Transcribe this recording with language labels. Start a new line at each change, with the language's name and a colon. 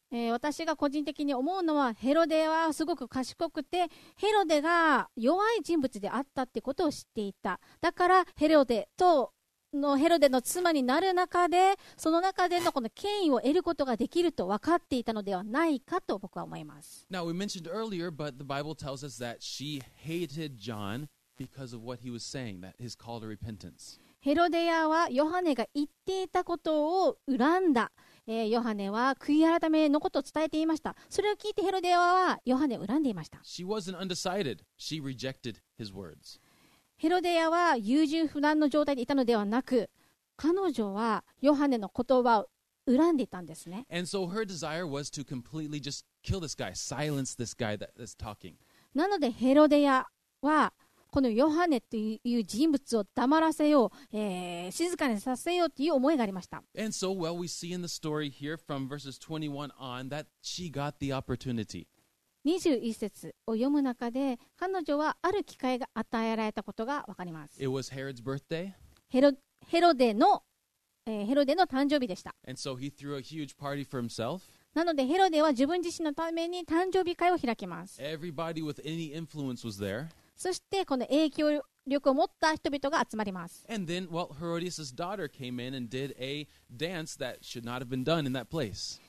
Japanese: 私が個人的に思うのは、ヘロデはすごく賢くて、ヘロデが弱い人物であったってことを知っていた。だからヘロデとのヘロデの妻になる中で、その中でのこの権威を得ることができると分かっていたのではないかと僕は思います。
English: Now we mentioned earlier, but the Bible tells us that she hated John because of what he was saying, that his call to repentance.
Japanese: ヘロデアはヨハネが言っていたことを恨んだ。ヨハネは悔い改めのことを伝えていました。それを聞いてヘロデアはヨハネを恨んでいました。
English: She wasn't undecided. She rejected his words.
Japanese: ヘロデアは優柔不断の状態でいたのではなく、彼女はヨハネの言葉を恨んでいたんですね。
English: And so her desire was to completely just kill this guy, silence this guy that is talking.
Japanese: なのでヘロデアはこのヨハネという人物を黙らせよう、静かにさせようという思いがありました。
English: And so, well, we see in the story here from verses 21 on that she got the opportunity.
Japanese: 21節を読む中で彼女はある機会が与えられたことがわかります。
English: It was Herod's birthday.
Japanese: ヘロデの誕生日でした。
English: And so he threw a huge party for himself.
Japanese: なのでヘロデは自分自身のために誕生日会を開きます。
English: Everybody with any influence was there.
Japanese: そしてこの影響力を持った人々が集まります。
English: And then, well, Herodias' daughter came in and did a dance that should not have been done in that place.